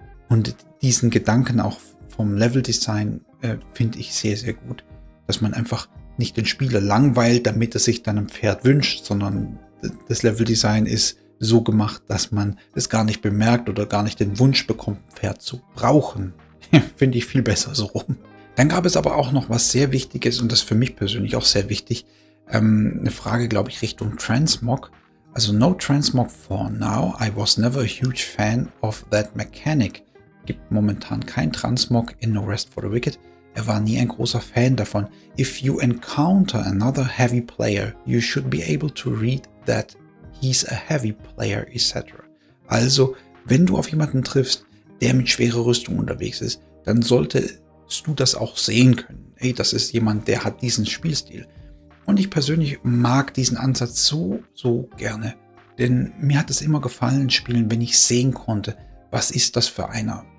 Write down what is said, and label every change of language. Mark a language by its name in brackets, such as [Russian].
[German] Und diesen Gedanken auch vom Level-Design finde ich sehr, sehr gut, dass man einfach nicht den Spieler langweilt, damit er sich dann ein Pferd wünscht, sondern das Level-Design ist so gemacht, dass man es gar nicht bemerkt oder gar nicht den Wunsch bekommt, ein Pferd zu brauchen. Finde ich viel besser so rum. Dann gab es aber auch noch was sehr Wichtiges und das ist für mich persönlich auch sehr wichtig. Eine Frage, glaube ich, Richtung Transmog. Also [English] no Transmog for now. I was never a huge fan of that mechanic. [German] Gibt momentan kein Transmog in No Rest for the Wicked. Er war nie ein großer Fan davon. [English] If you encounter another heavy player, you should be able to read that he's a heavy player, etc. [German] Also, wenn du auf jemanden triffst, der mit schwerer Rüstung unterwegs ist, dann solltest du das auch sehen können. Ey, das ist jemand, der hat diesen Spielstil. Und ich persönlich mag diesen Ansatz so, so gerne. Denn mir hat es immer gefallen in Spielen, wenn ich sehen konnte, was ist das für einer?